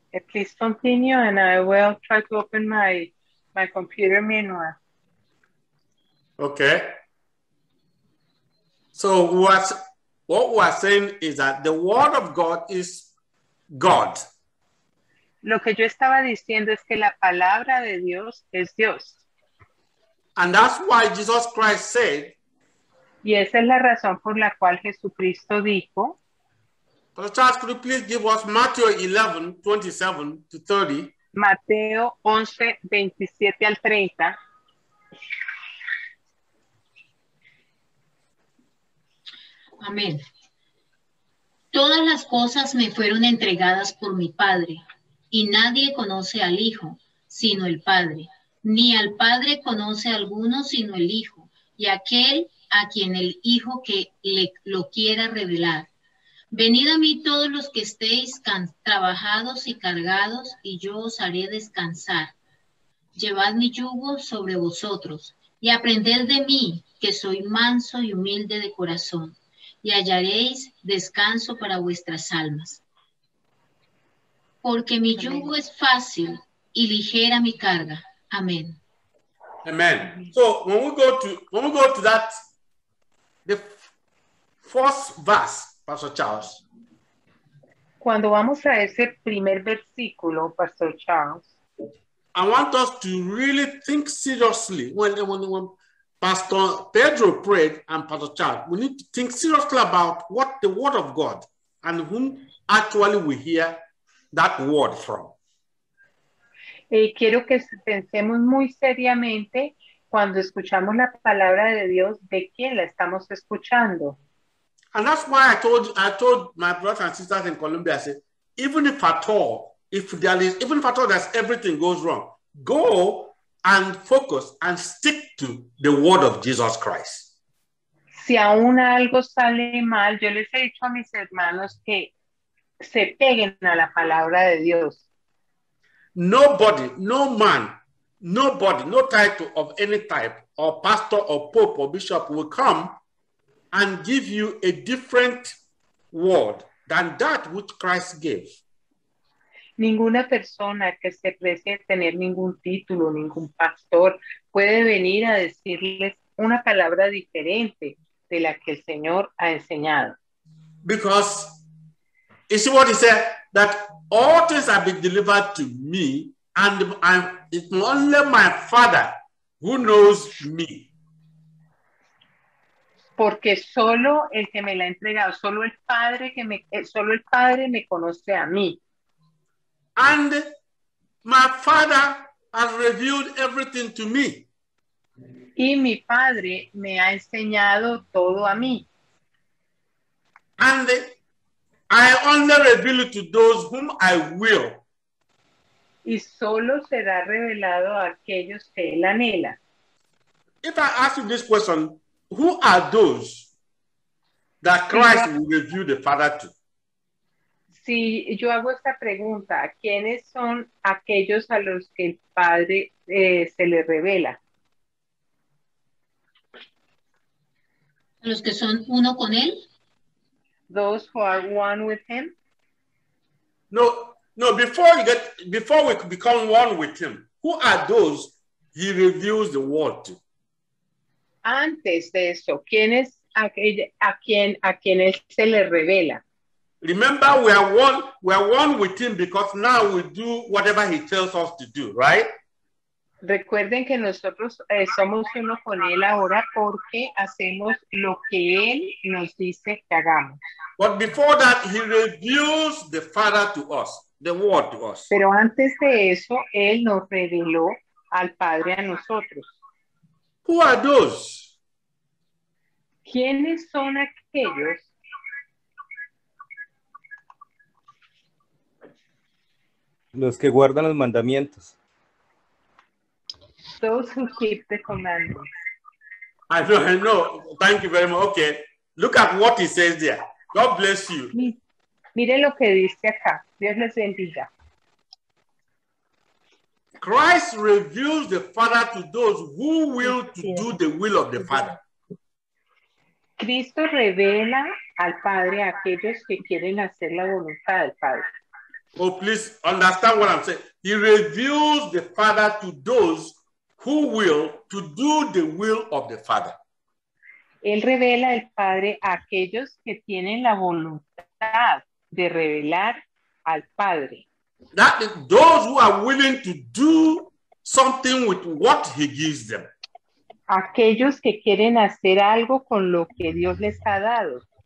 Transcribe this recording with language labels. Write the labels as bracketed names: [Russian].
[English] Please continue and I will try to open my computer meanwhile. Ok. So what we're saying is that the word of God is God. [Spanish] Lo que yo estaba diciendo es que la palabra de Dios es Dios. [English] And that's why Jesus Christ said. [Spanish] Y esa es la razón por la cual Jesucristo dijo. [English] Pastor Charles, could you please give us Matthew 11, 27 to 30. [Spanish] Mateo 11, 27 al 30. Amén. Todas las cosas me fueron entregadas por mi Padre, y nadie conoce al Hijo, sino el Padre. Ni al Padre conoce alguno, sino el Hijo, y aquel a quien el Hijo que le, lo quiera revelar. Venid a mí todos los que estéis trabajados y cargados, y yo os haré descansar. Llevad mi yugo sobre vosotros, y aprended de mí, que soy manso y humilde de corazón, y hallaréis descanso para vuestras almas. Porque mi yugo es fácil y ligera mi carga. Amén. Amén. [English] So, when we go to that, the first verse, Pastor Charles. [Spanish] Cuando vamos a ese primer versículo, Pastor Charles. [English] I want us to really think seriously when Pastor Pedro prayed and Pastor Charles, we need to think seriously about what the word of God and whom actually we hear that word from. [Spanish] Quiero que pensemos muy seriamente cuando escuchamos la palabra de Dios, ¿de quién la estamos escuchando? [English] And that's why I told my brothers and sisters in Colombia, I said, even if at all there's everything goes wrong, go and focus and stick to the word of Jesus Christ. [Spanish] Si aún algo sale mal, yo les he dicho a mis hermanos que se peguen a la palabra de Dios. [English] Nobody, no man, nobody, no title of any type, or pastor, or pope, or bishop will come and give you a different word than that which Christ gave. [Spanish] Ninguna persona que se precie tener ningún título, ningún pastor, puede venir a decirles una palabra diferente de la que el Señor ha enseñado. [English] Because, you see what he said? That all things have been delivered to me, and it's only my Father who knows me. [Spanish] Porque solo el que me la ha entregado, solo el Padre me conoce a mí. [English] And my Father has revealed everything to me. [Spanish] Y mi Padre me ha enseñado todo a mí. [English] And I only reveal it to those whom I will. [Spanish] Y solo será revelado a aquellos que él anhela. [English] If I ask you this question, who are those that Christ will reveal the Father to? [Spanish] Si yo hago esta pregunta, ¿quiénes son aquellos a los que el Padre se le revela? Los que son uno con él. [English] Those who are one with him. No, before we become one with him, who are those he reveals the word to? [Spanish] Antes de eso, ¿quién es a quien él se le revela? [English] Remember, we are one with him because now we do whatever he tells us to do, right? [Spanish] Recuerden que nosotros somos uno con él ahora porque hacemos lo que él nos dice que hagamos. [English] But before that, he reveals the Father to us, the Word to us. [Spanish] Pero antes de eso, él nos reveló al Padre a nosotros. [English] Who are those? [Spanish] ¿Quiénes son aquellos? Los que guardan los mandamientos. [English] Those who keep the commandments. I know. Thank you very much. Okay. Look at what he says there. God bless you. [Spanish] Mire lo que dice acá. Dios les bendiga. [English] Christ reveals the Father to those who will to do the will of the Father. [Spanish] Cristo revela al Padre a aquellos que quieren hacer la voluntad del Padre. [English] Oh, please understand what I'm saying. He reveals the Father to those who will to do the will of the Father. [Spanish] Él revela al Padre a aquellos que tienen la voluntad de revelar al Padre. [English] That is those who are willing to do something with what he gives them. [Spanish] Aquellos que quieren hacer algo con lo que Dios les ha dado.